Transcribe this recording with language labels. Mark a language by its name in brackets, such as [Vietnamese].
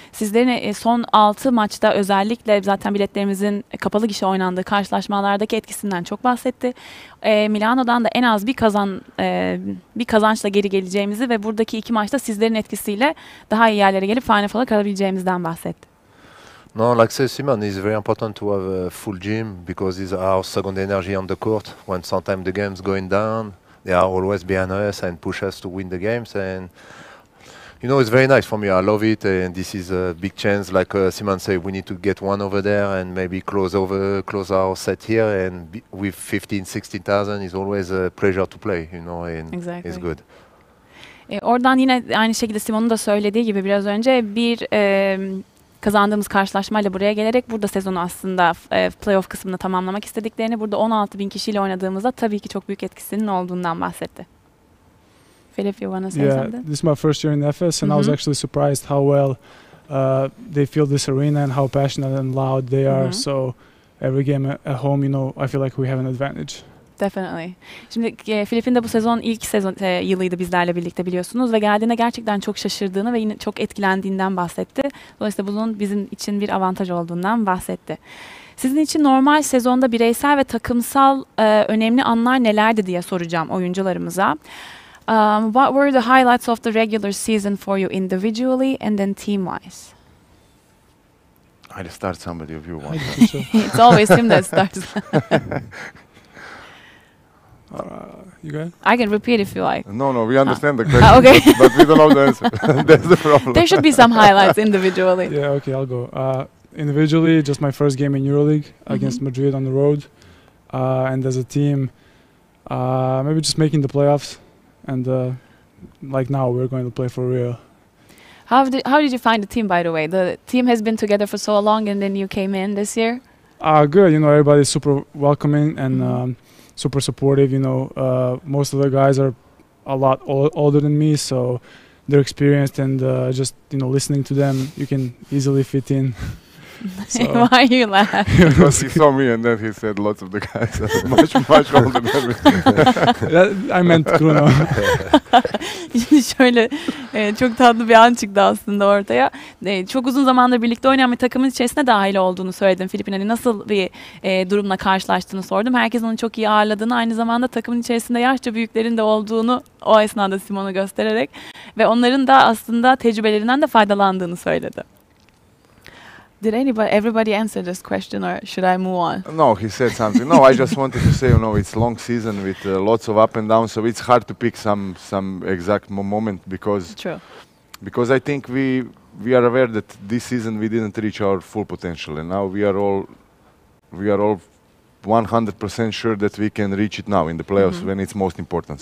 [Turkish] Sizlerin son 6 maçta özellikle zaten biletlerimizin kapalı gişe oynandığı karşılaşmalardaki etkisinden çok bahsetti. Milano'dan da en az bir kazançla geri geleceğimizi ve buradaki 2 maçta sizlerin etkisiyle daha iyi yerlere gelip Final Four'a kalabileceğimizden bahsetti. [English] No, like said, Simon, it's very important to have a full gym because it's our second energy on the court. When sometimes the game's going down, they are always behind us and push us to win the games. And, you know, it's very nice for me. I love it. And this is a big chance. Like Simon said, we need to get one over there and maybe close our set here. And with 15,000-16,000, it's always a pleasure to play, you know, and exactly. It's good. [Turkish] Oradan yine aynı şekilde Simon'un da söylediği gibi biraz önce bir kazandığımız karşılaşmayla buraya gelerek burada sezonu aslında playoff kısmını tamamlamak istediklerini, burada 16 bin kişiyle oynadığımızda tabii ki çok büyük etkisinin olduğundan bahsetti. [English] Philip, you wanna say yeah, something? Yeah, this is my first year in Efes and mm-hmm. I was actually surprised how well they feel this arena and how passionate and loud they are. Mm-hmm. So every game at home, you know, I feel like we have an advantage. Definitely. [Turkish] Şimdi Filip'in de bu sezon ilk sezon yılıydı bizlerle birlikte biliyorsunuz ve geldiğinde gerçekten çok şaşırdığını ve yine çok etkilendiğinden bahsetti. Dolayısıyla bunun bizim için bir avantaj olduğundan bahsetti. Sizin için normal sezonda bireysel ve takımsal önemli anlar nelerdi diye soracağım oyuncularımıza. [English] What were the highlights of the regular season for you individually and then team-wise? I'll start somebody if you want. It's always him that starts. You go ahead? I can repeat if you like. No, no, we understand the question, okay. But we don't know the answer. That's the problem. There should be some highlights individually. Yeah, okay, I'll go. Individually, just my first game in EuroLeague against Madrid on the road. And as a team, maybe just making the playoffs. And like now, we're going to play for real. How did you find the team, by the way? The team has been together for so long, and then you came in this year? Good. You know, everybody's super welcoming and super supportive. You know, most of the guys are a lot older than me, so they're experienced, and just, you know, listening to them, you can easily fit in. So why are you laughing? Because he saw me and then he said lots of the guys are much older than me. That, I meant Kruno. [Turkish] Şöyle çok tatlı bir an çıktı aslında ortaya. Çok uzun zamandır birlikte oynayan bir takımın içerisine dahil olduğunu söyledim. Filipin hani nasıl bir durumla karşılaştığını sordum. Herkes onu çok iyi ağırladığını, aynı zamanda takımın içerisinde yaşça büyüklerin de olduğunu o esnada Simon'a göstererek ve onların da aslında tecrübelerinden de faydalandığını söyledi. [English] Did everybody answer this question, or should I move on? No, he said something. No, I just wanted to say, you know, it's long season with lots of up and down, so it's hard to pick some exact moment because. True. Because I think we are aware that this season we didn't reach our full potential, and now we are all 100% sure that we can reach it now in the playoffs when it's most important.